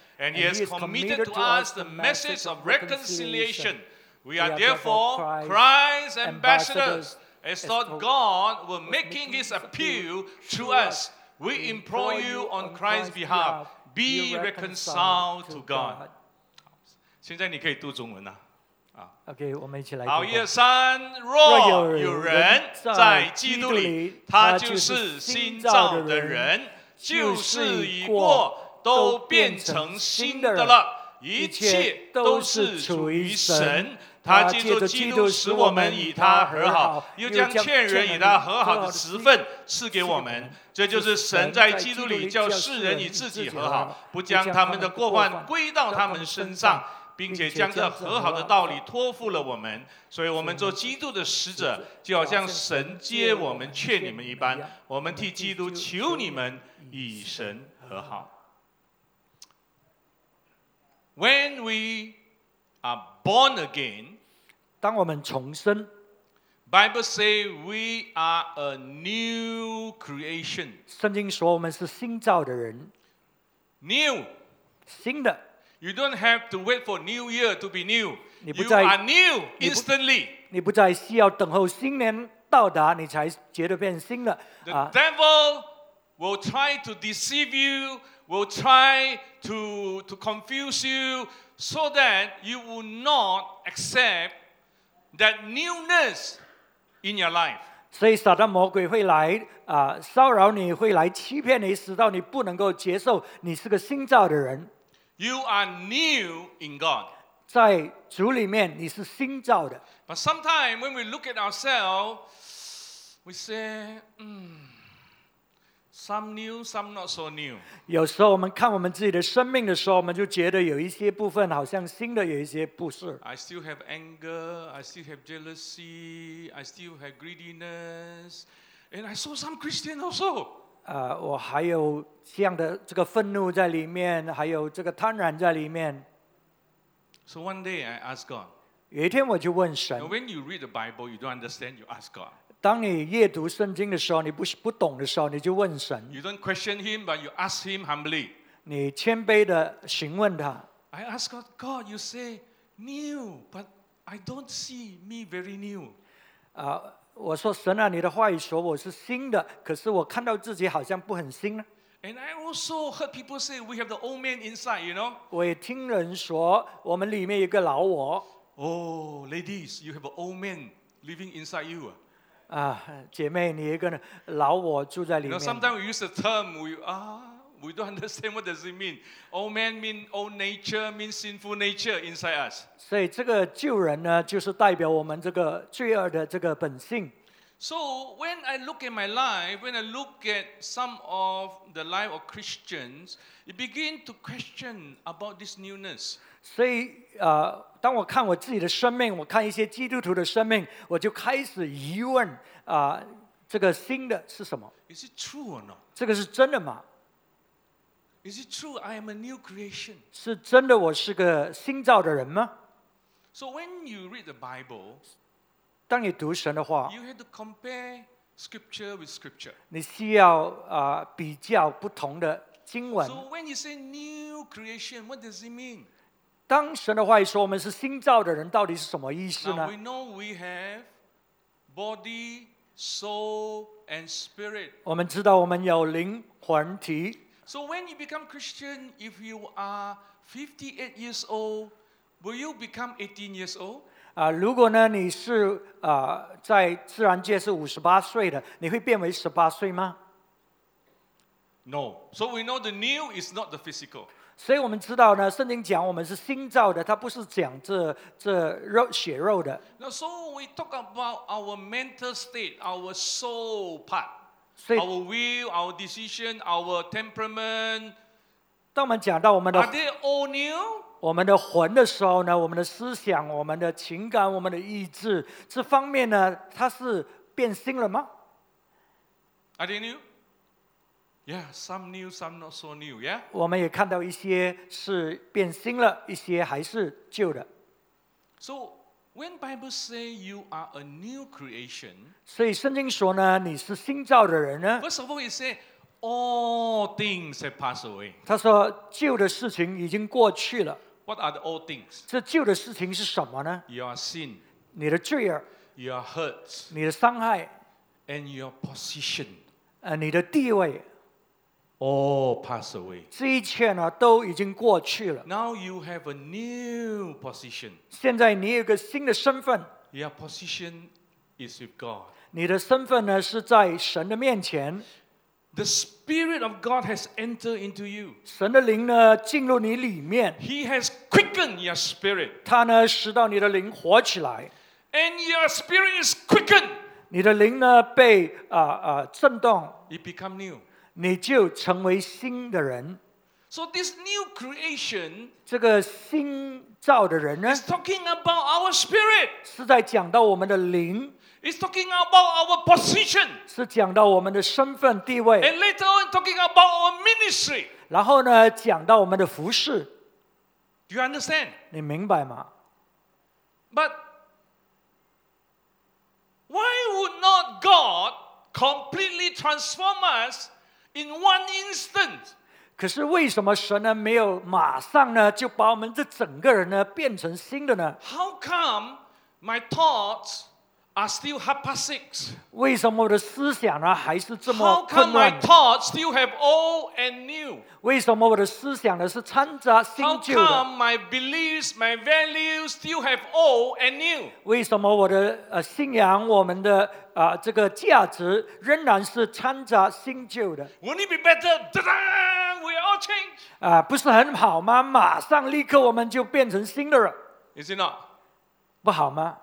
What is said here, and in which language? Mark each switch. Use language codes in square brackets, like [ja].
[en] And he has committed to us the message of reconciliation. We are therefore Christ's ambassadors, as though God were making his appeal to us. We implore you on Christ's behalf, be reconciled to God. [zh] 现在你可以读中文了。 OK, 我们一起来。好，一二三，若有人在基督里，他就是新造的人，旧事已过，都变成新的了，一切都是出于神。他借着基督使我们与他和好，又将劝人与他和好的职分赐给我们。这就是神在基督里叫世人与自己和好，不将他们的过犯归到他们身上，并且将这和好的道理托付了我们。所以我们做基督的使者，就好像神接我们劝你们一般，我们替基督求你们与神和好。 [en] When we areborn again, [zh] 当我们重生 [en] Bible say we are a new creation. [zh] 圣经说我们是新造的人 [en] New, [zh] 新的 [en] You don't have to wait for New Year to be new. You are new instantly. [zh] 你不再需要等候新年到达，你才觉得变新了。 [en] The devil will try to deceive you, will try to confuse you. So that you will not accept that newness in your life. [zh] 所以撒旦魔鬼会来骚扰你，会来欺骗你，使到你不能够接受你是个新造的人。 [en] You are new in God. [zh] 在主里面你是新造的。 [en] But sometimes when we look at ourselves, we say, Some new, some not so new. [zh] 有时候我们看我们自己的生命的时候，我们就觉得有一些部分好像新的，有一些不是。 [en] I still have anger, I still have jealousy, I still have greediness, and I saw some Christian also. [zh] 我还有这样的这个愤怒在里面，还有这个贪婪在里面。 [en] So one day I asked God. [zh] 有一天我就问神。 [en] Now, when you read the Bible, you don't understand. You ask God. [zh] 当你阅读圣经的时候，你 不懂的时候，你就问神。 [en] You don't question him, but you ask him humbly. [zh] 你谦卑的询问他。 [en] I ask God, God, you say new, but I don't see me very new. [zh] 我说神啊，你的话语说我是新的，可是我看到自己好像不很新呢。 [en] And I also heard people say we have the old man inside, you know. [zh] 我也听人说我们里面有个老我。 [en] Oh, ladies, you have an old man living inside you. [zh] 姐妹，你一个老我住在里面。 [en] You know, sometimes we use the term we don't understand what does it mean. Old man mean old nature, mean sinful nature inside us. [zh] 所以这个旧人呢，就是代表我们这个罪恶的这个本性。 [en] So when I look at my life, when I look at some of the life of Christians, you begin to question about this newness. [zh] 所以当我看我自己的生命，我看一些基督徒的生命，我就开始疑问这个新的是什么？ [en] Is it true or not? [zh] 这个是真的吗？ [en] Is it true I am a new creation? [zh] 是真的我是个新造的人吗？ [en] So when you read the Bible, [zh] 当你读神的话， [en] you have to compare scripture with scripture. [zh] 你需要比较不同的经文。 [en] So when you say new creation, what does it mean? [zh] 当神的话语说我们是新造的人，到底是什么意思呢？ [en] Now we know we have body, soul, and spirit. [zh] 我们知道我们有灵魂体。 [en] So when you become Christian, if you are 58 years old, will you become 18 years old? [zh] 如果呢你是在自然界是58岁的，你会变为18岁吗？ [en] No. So we know the new is not the physical. [zh] 所以我们知道呢，圣经讲我们是新造的，它不是讲这肉血肉的。 [en] Now, so we talk about our mental state, our soul part, our will, our decision, our temperament. [zh] 当我们讲到我们的 [en] Are they all new? [zh] 我们的魂的时候呢，我们的思想、我们的情感、我们的意志这方面呢，它是变新了吗？ [en] Are they new? Yeah, some new, some not so new. Yeah. [zh] 我们也看到一些是变新了，一些还是旧的。 [en] So when Bible say you are a new creation, [zh] 所以圣经说呢，你是新造的人呢。 [en] First of all, it say all things have passed away. [zh] 他说旧的事情已经过去了。 [en] What are the old things? [zh] 这旧的事情是什么呢 [en] ？Your sin, [zh] 你的罪恶 [en] ；Your hurt, [zh] 你的伤害 [en] ；And your position, [zh] 你的地位。 [en] All pass away. [zh] 这一切呢都已经过去了。 [en] Now you have a new position. [zh] 现在你有个新的身份。 [en] Your position is with God. [zh] 你的身份呢是在神的面前。 [en] The Spirit of God has entered into you. [zh] 神的灵呢进入你里面。 [en] He has quickened your spirit. [zh] 他呢使到你的灵活起来。 [en] And your spirit is quickened. [zh] 你的灵呢被震动。 [en] It become new. [zh] 你就成为新的人。 [en] So this new creation, [zh] 这个新造的人呢 [en] ，is talking about our spirit, [zh] 是在讲到我们的灵。 [en] It's talking about our position, [zh] 是讲到我们的身份地位。 [en] And later on, talking about our ministry, [zh] 然后呢，讲到我们的服事。 [en] Do you understand? [zh] 你明白吗 [en] ？But why would not God completely transform us? In one instant. [zh] 可是为什么神呢没有马上呢就把我们这整个人呢变成新的呢 [en] ？How come my thoughts are still half past six? [zh] 为什么我的思想呢还是这么混乱 [en] ？How come my thoughts still have old and new? [zh] 为什么我的思想呢是掺杂新旧的 [en] ？How come my beliefs, my values still have old and new? [zh] 为什么我的信仰我们的这个价值仍然是掺杂新旧的。 [en] Wouldn't it be better? Ta-da! We all change. [zh] 不是很好吗？马上立刻我们就变成新的人。 [en] Is it not? [zh] 不好吗